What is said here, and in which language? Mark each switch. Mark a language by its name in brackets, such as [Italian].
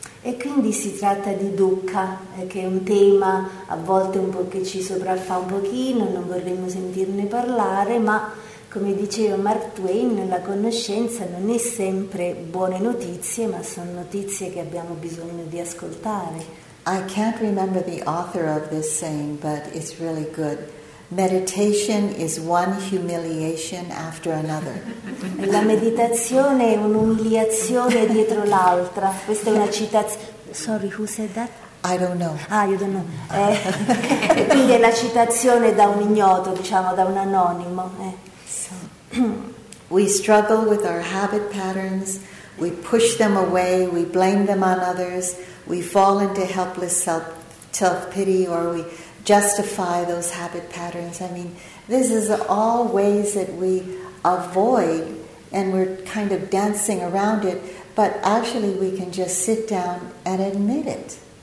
[Italian] E quindi si tratta di dukkha, che è un tema a volte un po' che ci sopraffa un pochino, non vorremmo sentirne parlare, ma come diceva Mark Twain, la conoscenza non è sempre buone notizie, ma sono notizie che abbiamo bisogno di ascoltare. [English] I can't remember the author of this saying, but it's really good. Meditation is one humiliation after another. [Italian] La meditazione è un'umiliazione dietro l'altra. Questa è una citazione. [English] Sorry, who said that? I don't know. Ah, you don't know. [Italian] Quindi è la citazione da un ignoto, diciamo, da un anonimo. [English] We struggle with our habit patterns, we push them away, we blame them on others, we fall into helpless self-pity, or we justify those habit patterns. I mean, this is all ways that we avoid, and we're kind of dancing around it, but actually we can just sit down and admit it.